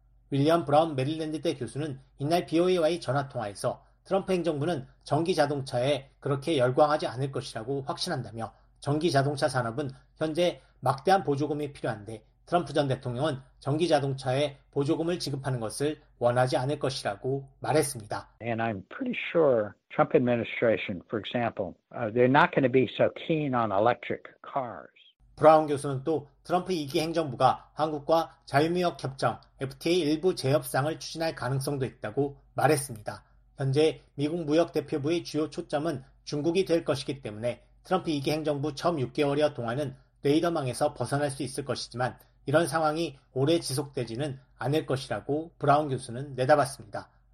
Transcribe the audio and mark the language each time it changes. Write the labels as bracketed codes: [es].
[ko] 윌리엄 브라운 메릴랜드대 교수는 이날 BOA와의 전화통화에서 트럼프 행정부는 전기자동차에 그렇게 열광하지 않을 것이라고 확신한다며 전기자동차 산업은 현재 막대한 보조금이 필요한데 트럼프 전 대통령은 전기자동차에 보조금을 지급하는 것을 원하지 않을 것이라고 말했습니다. [en] And I'm pretty sure Trump administration, for example, they're not going to be so keen on electric cars. [ko] 브라운 교수는 또 트럼프 2기 행정부가 한국과 자유무역 협정 FTA 일부 재협상을 추진할 가능성도 있다고 말했습니다. 현재 미국 무역 대표부의 주요 초점은 중국이 될 것이기 때문에 트럼프 2기 행정부 처음 6개월여 동안은 레이더망에서 벗어날 수 있을 것이지만 이런 상황이 오래 지속되지는 않을 것이라고 브라운 교수는 내다봤습니다.